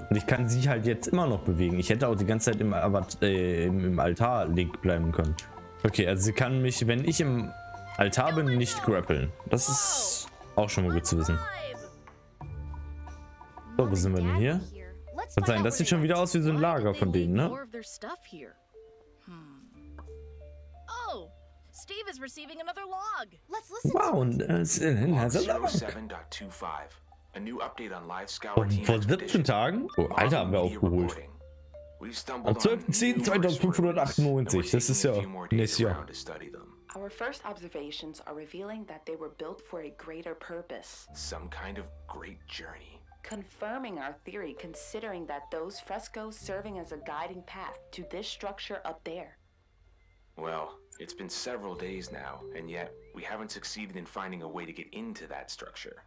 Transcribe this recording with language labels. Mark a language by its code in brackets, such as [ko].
[de] Und ich kann sie halt jetzt immer noch bewegen. Ich hätte auch die ganze Zeit im Altar liegen bleiben können. Okay, also sie kann mich, wenn ich im Altar bin, nicht grappeln. Das ist auch schon mal gut zu wissen. So, wo sind wir denn hier? Verzeihung, das sieht schon wieder aus wie so ein Lager von denen, ne? [en] Oh, Steve is receiving another log. Let's listen to it. Wow, und log 7.25. A new update on live scour team. [de] Vor 17 Tagen? Oh, Alter, haben wir aufgeholt. Am 12.10.2598. Das ist ja nächstes Jahr. [en] Our first observations are revealing that they were built for a greater purpose. Some kind of great journey. Confirming our theory, considering that those frescoes serving as a guiding path to this structure up there. Well, it's been several days now, and yet we haven't succeeded in finding a way to get into that structure.